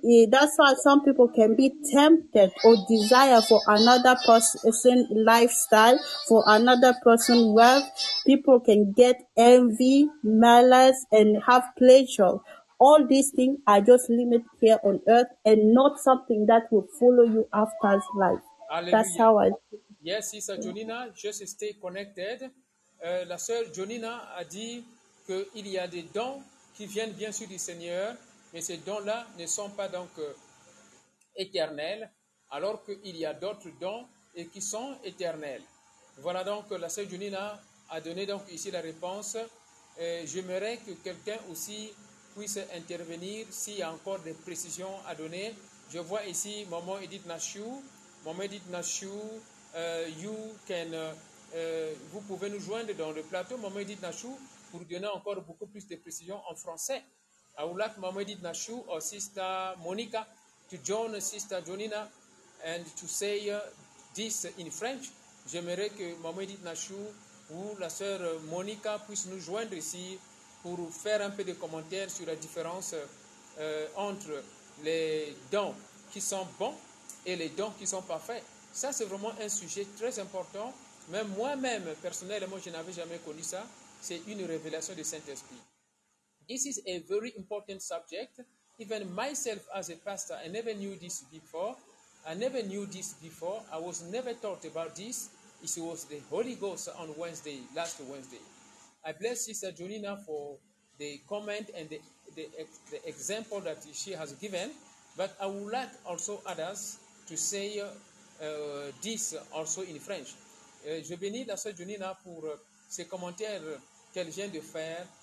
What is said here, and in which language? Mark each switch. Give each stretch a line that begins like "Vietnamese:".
English: That's why some people can be tempted or desire for another person's lifestyle, for another person's wealth. People can get envy, malice, and have pleasure. All these things are just limited here on earth and not something that will follow you after life. Hallelujah. That's how I... Yes, Sister Jonina, just stay connected.
French: La sœur Jonina a dit qu'il y a des dons qui viennent bien sûr du Seigneur, mais ces dons-là ne sont pas donc éternels, alors qu'il y a d'autres dons et qui sont éternels. Voilà donc, la sœur Jonina a donné donc ici la réponse. J'aimerais que quelqu'un aussi puisse intervenir s'il y a encore des précisions à donner. Je vois ici Maman Edith Nashu. Maman Edith Nashu, vous pouvez nous joindre dans le plateau, Maman Edith Nashu, pour donner encore beaucoup plus de précisions en français.
English: I would like Mama Edith Nashu or Sister Monica to join Sister Jonina and to say this in French.
French: J'aimerais que Mama Edith Nashu ou la sœur Monica puisse nous joindre ici pour faire un peu de commentaires sur la différence entre les dons qui sont bons et les dons qui sont parfaits. Ça, c'est vraiment un sujet très important. Même moi-même, personnellement, je n'avais jamais connu ça. C'est une révélation du Saint-Esprit.
English: This is a very important subject. Even myself as a pastor, I never knew this before. I was never taught about this. It was the Holy Ghost on Wednesday, last Wednesday. I bless Sister Jonina for the comment and the example that she has given. But I would like also others to say this also in French.
French: Je bénis la Sister Jonina pour ses commentaires qu'elle vient de faire.